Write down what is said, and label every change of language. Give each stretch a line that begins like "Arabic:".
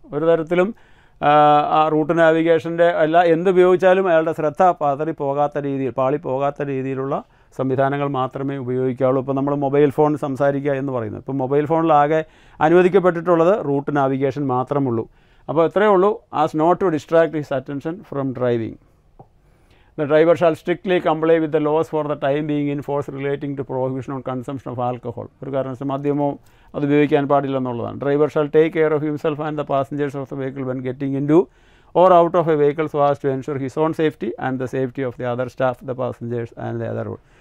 Malayalam: ഒരു തരത്തിലും ആ റൂട്ട് നാവിഗേഷൻ്റെ എല്ലാം എന്തുപയോഗിച്ചാലും അയാളുടെ ശ്രദ്ധ പാളിപ്പോകാത്ത രീതിയിലുള്ള സംവിധാനങ്ങൾ മാത്രമേ ഉപയോഗിക്കാവുള്ളൂ. ഇപ്പോൾ നമ്മൾ മൊബൈൽ ഫോൺ സംസാരിക്കുക എന്ന് പറയുന്നത്, ഇപ്പോൾ മൊബൈൽ ഫോണിലാകെ അനുവദിക്കപ്പെട്ടിട്ടുള്ളത് റൂട്ട് നാവിഗേഷൻ മാത്രമുള്ളൂ. അപ്പോൾ ഇത്രയേ ഉള്ളൂ.
English: As not to distract his attention from driving. The driver shall strictly comply with the laws for the time being in force relating to prohibition on consumption of alcohol.
Malayalam: ഒരു കാരണവശാലും മദ്യമോ അത് ഉപയോഗിക്കാൻ പാടില്ല എന്നുള്ളതാണ്.
English: Driver shall take care of himself and the passengers of the vehicle when getting in to or out of a vehicle so as to ensure his own safety and the safety of the other staff the passengers and the other road.